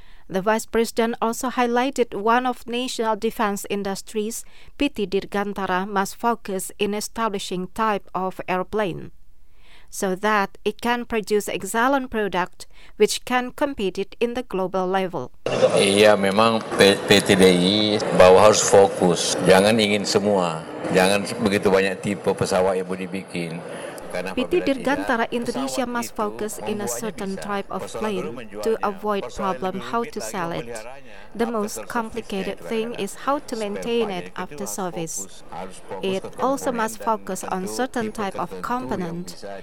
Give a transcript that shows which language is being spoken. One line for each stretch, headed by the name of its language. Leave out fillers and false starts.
English: The Vice President also highlighted one of national defense industries PT Dirgantara must focus in establishing type of airplane so that it can produce excellent product which can compete it in the global level.
Indonesian: Iya, memang PT DI bahwa harus fokus, jangan ingin semua, jangan begitu banyak tipe pesawat yang mau dibikin.
English: PT Dirgantara Indonesia must focus in a certain type of plane to avoid problem how to sell it. The most complicated thing is how to maintain it after service. It also must focus on certain type of component.